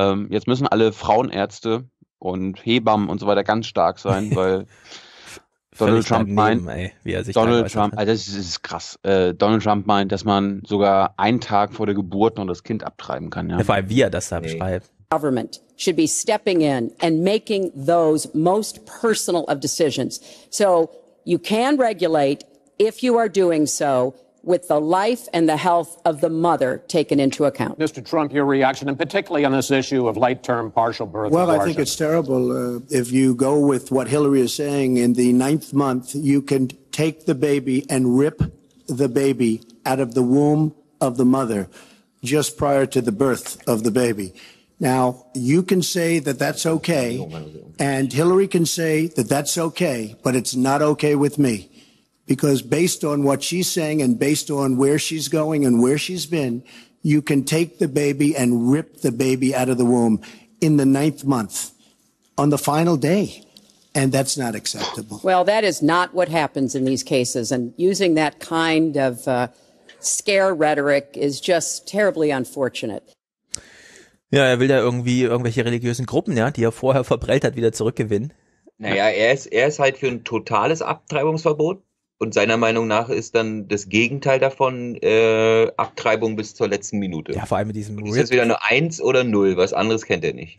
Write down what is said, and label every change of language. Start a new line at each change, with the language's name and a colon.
German: Jetzt müssen alle Frauenärzte und Hebammen und so weiter ganz stark sein, weil Donald Trump meint, dass man sogar einen Tag vor der Geburt noch das Kind abtreiben kann. Ja? Vor allem, wie er das da beschreibt.
English: government should be stepping in and making those most personal of decisions. So you can regulate if you are doing so with the life and the health of the mother taken into account. Mr. Trump, your reaction, and particularly on this issue of late-term partial birth abortion. I think it's terrible. If you go with what Hillary is saying, in the ninth month, you can take the baby and rip the baby out of the womb of the mother just prior to the birth of the baby. Now, you can say that that's okay, and Hillary can say that that's okay, but it's not okay with me. Because based on what she's saying and based on where she's going and where she's been, you can take the baby and rip the baby out of the womb in the ninth month on the final day. And that's not acceptable. Well, that is not what happens in these cases. And using that kind of scare rhetoric is just terribly unfortunate.
German: Ja, er will ja irgendwie irgendwelche religiösen Gruppen, ja, die er vorher verbrellt hat, wieder zurückgewinnen. Naja, er ist halt für ein totales Abtreibungsverbot. Und seiner Meinung nach ist dann das Gegenteil davon Abtreibung bis zur letzten Minute. Ja, vor allem mit diesem Ist das wieder nur 1 oder 0? Was anderes kennt er nicht.